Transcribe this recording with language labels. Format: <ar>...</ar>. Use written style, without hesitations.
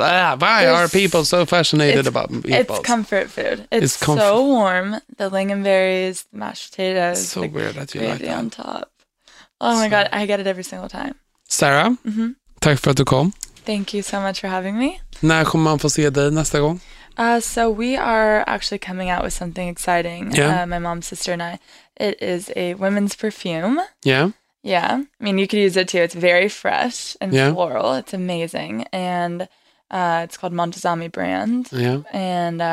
<en>Are people so fascinated about meatballs? It's comfort food. It's so warm. The lingonberries, the mashed potatoes. So weird that you like that. On top. Oh my God, I get it every single time. Sarah, mm-hmm.</en> <sv>Tack för att du kom.</sv> <en>Thank you so much for having me.</en> <sv>När kommer man få se dig nästa gång?</sv> <en>So we are actually coming out with something exciting. Yeah. My mom, sister, and I. It is a women's perfume. Yeah. Yeah. I mean, you could use it too. It's very fresh and floral. It's amazing. And it's called Montezami brand. Yeah. And</en>